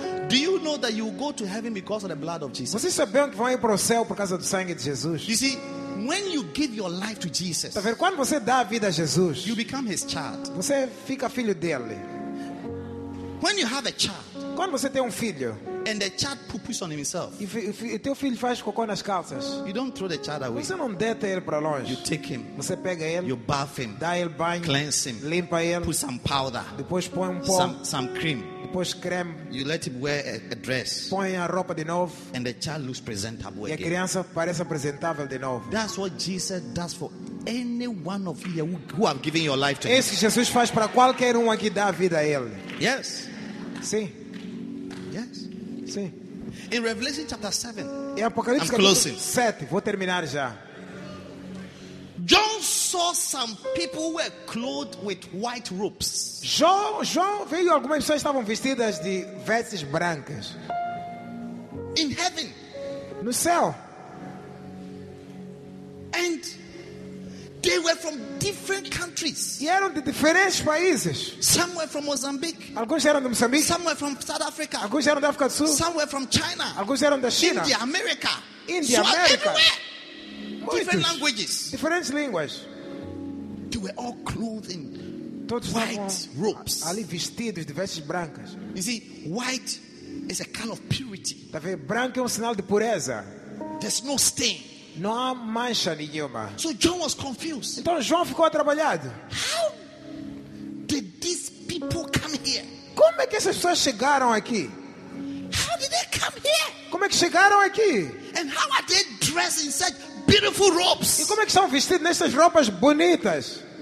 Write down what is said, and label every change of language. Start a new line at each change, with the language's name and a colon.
English: Do you know that you go to heaven because of the blood of Jesus?
Portuguese: Vocês sabem que vão ir para o céu por causa do sangue de Jesus?
English: You see, When you give your life to Jesus,
Portuguese: quando você dá a vida a Jesus,
English: you become his child.
Portuguese: Você fica filho dele.
English: When you have a child,
Portuguese: quando você tem filho,
English: and the child poops on himself, if
Portuguese: teu filho faz cocô nas calças,
English: you don't throw the child away.
Portuguese: Você não deita ele para longe.
English: You take him.
Portuguese: Você pega ele.
English: You bath him.
Portuguese: Dá ele banho.
English: Cleanse him.
Portuguese: Limpa ele.
English: Put some powder.
Portuguese: Depois põe pó.
English: Some cream.
Portuguese: Depois creme.
English: You let him wear a dress.
Portuguese: Põe a roupa de novo.
English: And the child looks presentable.
Portuguese: E a criança parece apresentável de novo.
English: That's what Jesus does for any one of you who have given your life to him.
Portuguese: Isso Jesus faz para qualquer que dá a vida a ele.
English: Yes.
Portuguese: Sim.
English: Yes.
Portuguese: Sim.
English: In Revelation chapter 7.
Portuguese: Em Apocalipse capítulo 7, vou terminar já.
English: John saw some people who were clothed with white robes.
Portuguese: João viu algumas pessoas estavam vestidas de vestes brancas.
English: In heaven.
Portuguese: No céu.
English: And they were from different countries.
Portuguese: E eram de diferentes países.
English: Some were from Mozambique.
Portuguese: Alguns eram de Moçambique.
English: Some were from South Africa.
Portuguese: Alguns eram da África do Sul.
English: Some were from China.
Portuguese: Alguns eram da China.
English: India, America.
Portuguese: India, America.
English: Everywhere. Different languages.
Portuguese: Diferentes línguas.
English: They were all clothed in white robes.
Portuguese: Ali vestidos de vestes brancas.
English: You see, white is a kind of purity.
Portuguese: Tá vendo? Branco é sinal de pureza.
English: There's no stain.
Portuguese: Não há mancha nenhuma.
English: So John was confused.
Portuguese: Então João ficou atrapalhado.
English: How did these people come here?
Portuguese: Como é que essas pessoas chegaram aqui?
English: How did they come here?
Portuguese: Como é que chegaram aqui?
English: And how are they dressed in such beautiful robes?
Portuguese: E como é que são vestidos nessas roupas bonitas?